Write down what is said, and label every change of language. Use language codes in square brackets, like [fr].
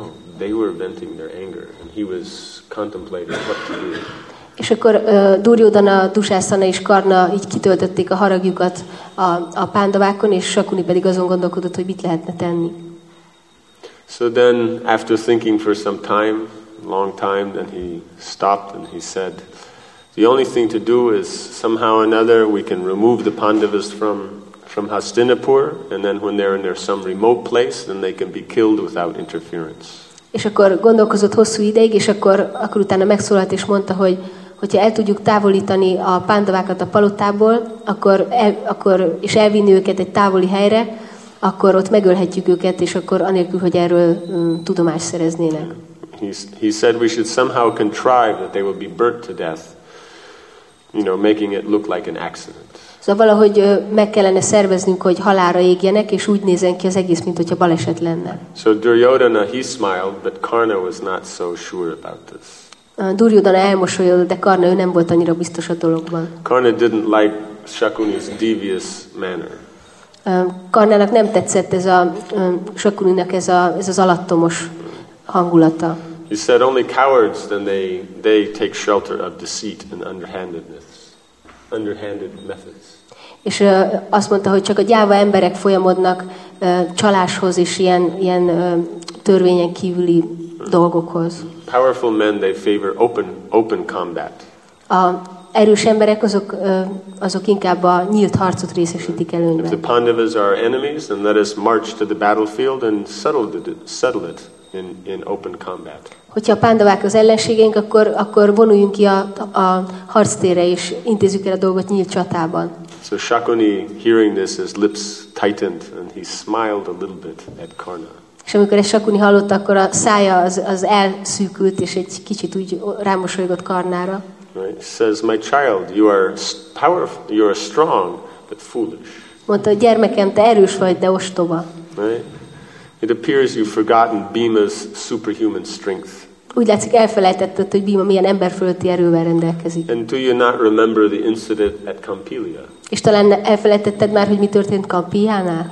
[en] No, they were venting their anger and he was contemplating what to do. [hu] És akkor Duryodhana, Dushasana és Karna így kitöltötték a haragjukat a pándavákon, és Shakuni pedig azon gondolkodott, hogy mit lehetne tenni. [en] So then, after thinking for some time, long time, then he stopped and he said, the only thing to do is somehow or another we can remove the Pandavas from Hastinapur, and then when they're in their some remote place, then they can be killed without interference. [hu] És akkor gondolkozott hosszú ideig, és akkor utána megszólalt és mondta, hogyha el tudjuk távolítani a pándavákat a palotából, és elvinni őket egy távoli helyre, akkor ott megölhetjük őket, és akkor anélkül, hogy erről tudomást szereznének. [en] He said we should somehow contrive that they will be burnt to death, you know, making it look like an accident. [hu] Szóval valahogy meg kellene szerveznünk, hogy halálra égjenek, és úgy nézzen ki az egész, mint hogyha baleset lenne. [en] So Duryodhana, he smiled, but Karna was not so sure about this. [hu] Duryodhana elmosolyodott, de Karna, ő nem volt annyira biztos a dologban. [en] Karna didn't like Shakuni's devious manner. [hu] Karnának nem tetszett ez a Shakuninak ez az alattomos hangulata. [en] He said only cowards then they take shelter of deceit and underhandedness. Underhanded methods. [hu] És azt mondta, hogy csak a gyáva emberek folyamodnak csaláshoz és ilyen törvényen kívüli dolgokhoz. [en] Powerful men, they favor open combat. [hu] A erős emberek azok inkább a nyílt harcot részesítik előnyben. [en] If the Pandavas are enemies, then let us march to the battlefield and settle it in open combat. [hu] Hogyha a Pandavák az ellenségeink, akkor vonuljunk ki a harctérre és intézzük el a dolgot nyílt csatában. [en] So Shakuni, hearing this, his lips tightened and he smiled a little bit at Karna. [hu] És amikor ezt Shakuni hallotta, akkor a szája az elszűkült és egy kicsit úgy rámosolygott Karnára. [en] Right. Says, my child, you are powerful, you are strong, but foolish. [hu] Mondta, gyermekem, te erős vagy, de ostoba. [en] Right. It appears you've forgotten Bhima's superhuman strength. [hu] Úgy látszik, elfelejtetted, hogy Bhima milyen emberfölötti erővel rendelkezik. [en] And do you not remember the incident at Kampilya? [hu] És talán elfelejtetted már, hogy mi történt Kampiyánál?